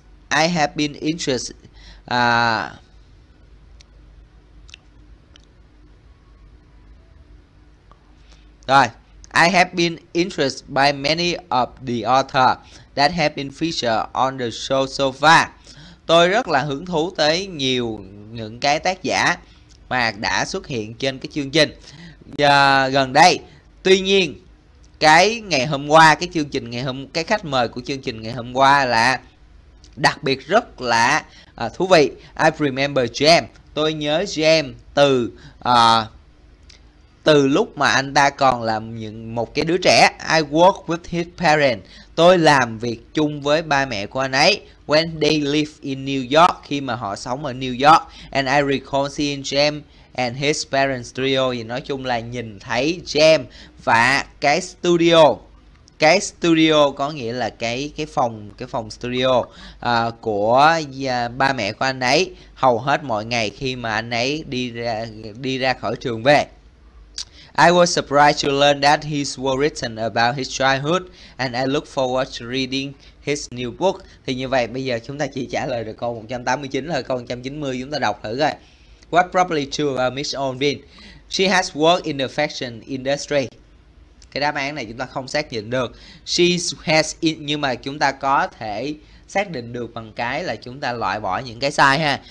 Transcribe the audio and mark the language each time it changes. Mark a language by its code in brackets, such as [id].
[en] I have been interested Rồi, I have been interested by many of the author that have been featured on the show so far. [vi] Tôi rất là hứng thú tới nhiều những cái tác giả mà đã xuất hiện trên cái chương trình gần đây. Tuy nhiên, cái ngày hôm qua, cái chương trình ngày hôm, cái khách mời của chương trình ngày hôm qua là đặc biệt rất là thú vị. [en] I remember James. [vi] Tôi nhớ James từ từ lúc mà anh ta còn là những một cái đứa trẻ. [en] I work with his parents. [vi] Tôi làm việc chung với ba mẹ của anh ấy. [en] When they live in New York, [vi] khi mà họ sống ở New York, [en] and I recall seeing James and his parents studio, [vi] thì nói chung là nhìn thấy James và cái studio. Cái studio có nghĩa là cái phòng studio của ba mẹ của anh ấy hầu hết mọi ngày khi mà anh ấy đi ra khỏi trường về. [en] I was surprised to learn that he's well written about his childhood and I look forward to reading his new book. [vi] Thì như vậy bây giờ chúng ta chỉ trả lời được câu 189 thôi, câu 190 chúng ta đọc thử coi. [en] What probably true about Miss Owen Vinh? She has worked in the fashion industry. [vi] cái đáp án này chúng ta không xác định được. [en] She has it, [vi] nhưng mà chúng ta có thể xác định được bằng cái là chúng ta loại bỏ những cái sai ha.